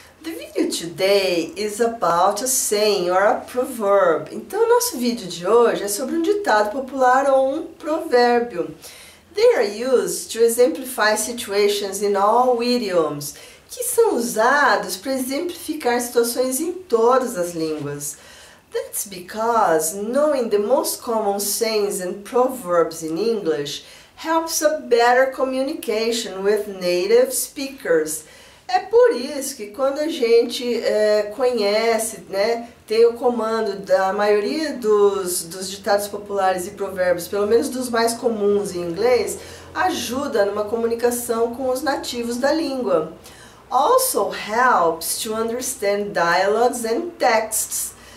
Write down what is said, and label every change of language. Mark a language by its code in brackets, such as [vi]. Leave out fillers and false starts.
[en] The video today is about a saying or a proverb. [pt] Então, o nosso vídeo de hoje é sobre um ditado popular ou um provérbio. [en] They are used to exemplify situations in all idioms, [pt] que são usados para exemplificar situações em todas as línguas. [en] That's because knowing the most common sayings and proverbs in English helps a better communication with native speakers. [pt] É por isso que quando a gente conhece, né, tem o comando da maioria dos ditados populares e provérbios, pelo menos dos mais comuns em inglês, ajuda numa comunicação com os nativos da língua. [en] Also helps to understand dialogues and texts.